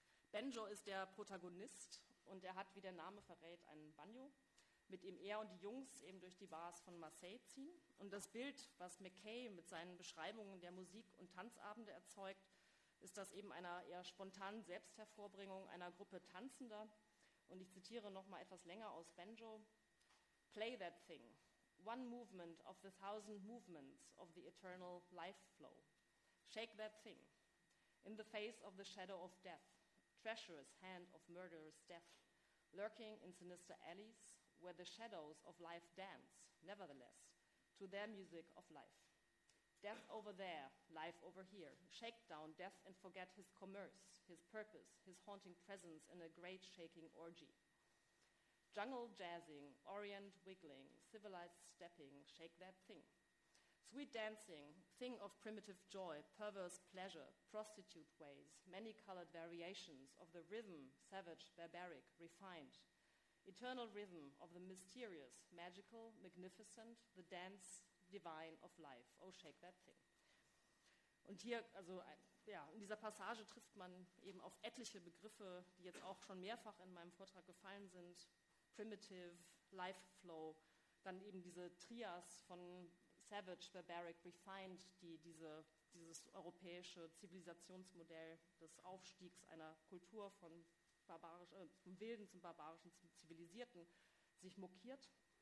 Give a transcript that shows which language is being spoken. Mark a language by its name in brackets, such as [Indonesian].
[German] Banjo ist der Protagonist und er hat, wie der Name verrät, einen Banjo, mit dem er und die Jungs eben durch die Bars von Marseille ziehen. Und das Bild, was McKay mit seinen Beschreibungen der Musik- und Tanzabende erzeugt, ist das eben einer eher spontanen Selbsthervorbringung einer Gruppe Tanzender. Und ich zitiere nochmal etwas länger aus Banjo. [English] Play that thing, one movement of the thousand movements of the eternal life flow. Shake that thing, in the face of the shadow of death, treacherous hand of murderous death, lurking in sinister alleys, where the shadows of life dance, nevertheless, to their music of life. Death over there, life over here, shake down death and forget his commerce, his purpose, his haunting presence in a great shaking orgy. Jungle jazzing, orient wiggling, civilized stepping, shake that thing. Sweet dancing, thing of primitive joy, perverse pleasure, prostitute ways, many colored variations of the rhythm, savage, barbaric, refined. Eternal rhythm of the mysterious, magical, magnificent, the dance divine of life. Oh, shake that thing. [German] Und hier, also ja, in dieser Passage trifft man eben auf etliche Begriffe, die jetzt auch schon mehrfach in meinem Vortrag gefallen sind. Primitive, life flow, dann eben diese Trias von [English] savage, barbaric, refined, [German] die dieses europäische Zivilisationsmodell des Aufstiegs einer Kultur von vom Wilden zum Barbarischen zum Zivilisierten sich mokiert.